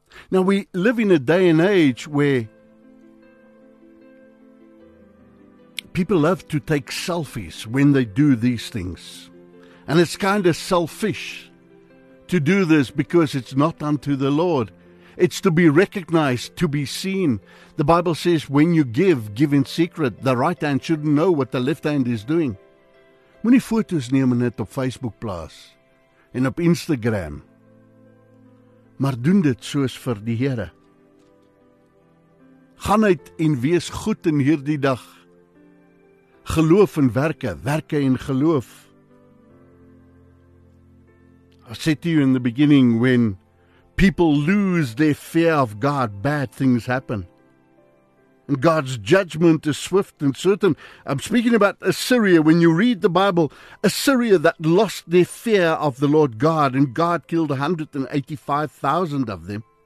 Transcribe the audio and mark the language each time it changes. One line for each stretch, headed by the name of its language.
English: Now we live in a day and age where people love to take selfies when they do these things. And it's kind of selfish to do this, because it's not unto the Lord. It's to be recognized, to be seen. The Bible says, when you give, give in secret. The right hand shouldn't know what the left hand is doing.
Afrikaans: Moenie foto's neem en dit op Facebook plaas en op Instagram. Maar doen dit soos vir die Here. Gaan uit en wees goed in hierdie dag. Geloof en werke, werke en geloof.
English: I said to you in the beginning, when People lose their fear of God, bad things happen. God's judgment is swift and certain. I'm speaking about Assyria. When you read the Bible, Assyria that lost their fear of the Lord God, and God killed 185,000 of them.